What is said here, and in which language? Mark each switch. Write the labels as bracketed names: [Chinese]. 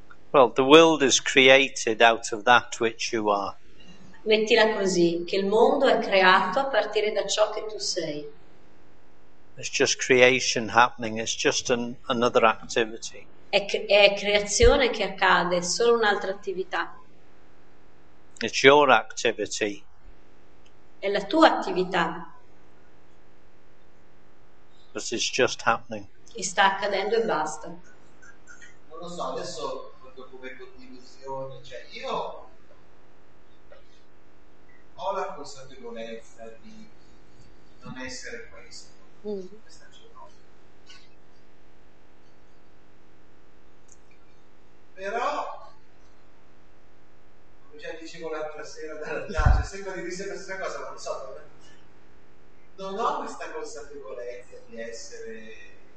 [English] Well, the world is created out of that which you are. [Italian] Mettila così, che il mondo è creato a partire da ciò che tu sei. [English] It's just creation happening, it's just another activity. [Italian] È creazione che accade, è solo un'altra attività. [English] It's your activity. [Italian] È la tua attività. [English] But it's just happening. [Italian] E sta accadendo e basta. Non lo so, adesso come condivisione, cioè io ho la consapevolezza di non essere questo, questa giornata. Però, come già dicevo l'altra sera, dalla sempre di questa cosa, non so, non ho questa consapevolezza di essere